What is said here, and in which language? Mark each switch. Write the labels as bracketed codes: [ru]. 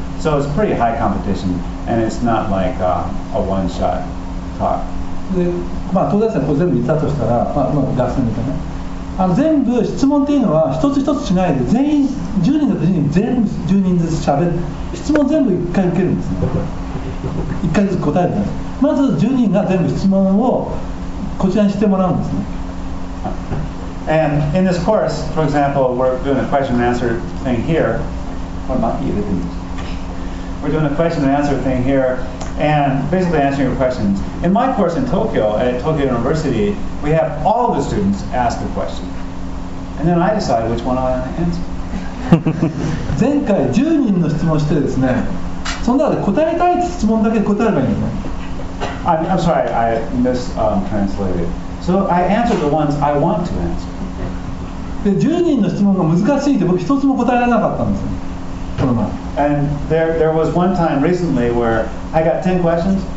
[en] So it's pretty high competition, and it's not like a one-shot talk. [ja] まあ、東大生が全部言ったとしたら、まあ、学生みたいな。あの、全部質問っていうのは一つ一つしないで、全員10人だと10人、全部10人ずつ喋る。質問全部1回受けるんですね。1回ずつ答えるんです。まず10人が全部質問をこちらにしてもらうんですね。 [en] And in this course, for example, we're doing a question and answer thing here. What about you? We're doing a question and answer thing here, and basically answering your questions. In my course in Tokyo, at Tokyo University, we have all the students ask a question. And then I decide which one I want to answer. [ja] 前回10人の質問してですね、その中で答えたい質問だけ答えればいいんです [en] ね。I'm sorry, I mistranslated. So I answer the ones I want to answer. [ja] で10人の質問が難しすぎて僕一つも答えられなかったんですよ、この前。 [en] And there was one time recently where I got 10 questions.